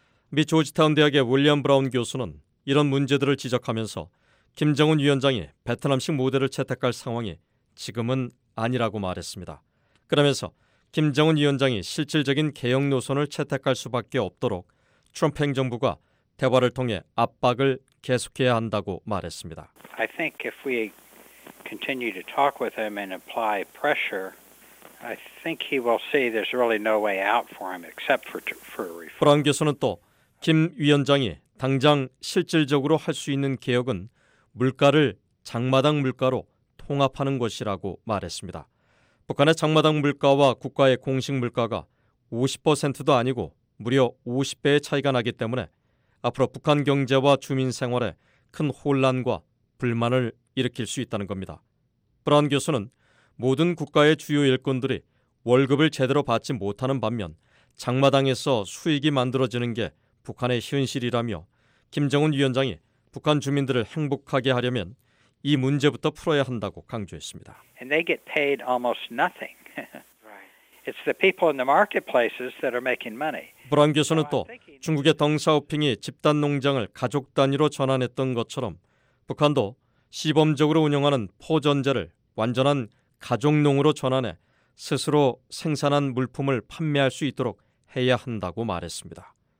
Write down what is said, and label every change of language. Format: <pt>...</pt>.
<ko>미 조지타운 대학의 윌리엄 브라운 교수는 이런 문제들을 지적하면서 김정은 위원장이 베트남식 모델을 채택할 상황이 지금은 아니라고 말했습니다. 그러면서 김정은 위원장이 실질적인 개혁 노선을 채택할 수밖에 없도록 트럼프 행정부가 대화를 통해 압박을 계속해야 한다고 말했습니다.</ko> <en>I think if we continue to talk with him and apply pressure, I think he will see there's really no way out for him except for reform.</en> <ko>브라운 교수는 또 김 위원장이 당장 실질적으로 할 수 있는 개혁은 물가를 장마당 물가로 통합하는 것이라고 말했습니다. 북한의 장마당 물가와 국가의 공식 물가가 50%도 아니고 무려 50배의 차이가 나기 때문에 앞으로 북한 경제와 주민 생활에 큰 혼란과 불만을 일으킬 수 있다는 겁니다. 브라운 교수는 모든 국가의 주요 일꾼들이 월급을 제대로 받지 못하는 반면 장마당에서 수익이 만들어지는 게 북한의 현실이라며 김정은 위원장이 북한 주민들을 행복하게 하려면 이 문제부터 풀어야 한다고 강조했습니다.</ko> <en>And they get paid almost nothing. It's the people in the marketplaces that are making money.</en> <ko>브라운 교수는 또 중국의 덩샤오핑이 집단 농장을 가족 단위로 전환했던 것처럼 북한도 시범적으로 운영하는 포전제를 완전한 가족농으로 전환해 스스로 생산한 물품을 판매할 수 있도록 해야 한다고 말했습니다.</ko>